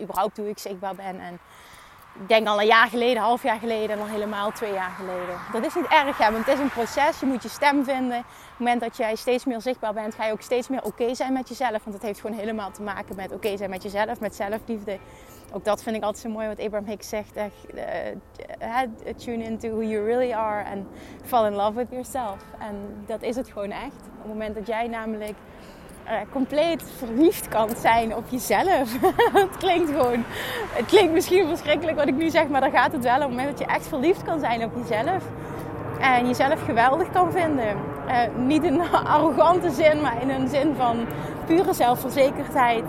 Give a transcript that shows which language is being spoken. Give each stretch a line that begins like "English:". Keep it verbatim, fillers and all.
Dutch: Überhaupt hoe ik zichtbaar ben. En ik denk al een jaar geleden, half jaar geleden en al helemaal twee jaar geleden. Dat is niet erg, hè, want het is een proces. Je moet je stem vinden. Op het moment dat jij steeds meer zichtbaar bent, ga je ook steeds meer oké zijn met jezelf. Want dat heeft gewoon helemaal te maken met oké zijn met jezelf, met zelfliefde. Ook dat vind ik altijd zo mooi wat Abraham Hicks zegt.
English: Echt, uh, tune into who you really are and fall in love with yourself.
Dutch: En dat is het gewoon echt. Op het moment dat jij namelijk... Uh, compleet verliefd kan zijn op jezelf. Het klinkt gewoon... Het klinkt misschien verschrikkelijk wat ik nu zeg, maar daar gaat het wel om. Op het moment dat je echt verliefd kan zijn op jezelf. En jezelf geweldig kan vinden. Uh, niet in een arrogante zin, maar in een zin van pure zelfverzekerdheid.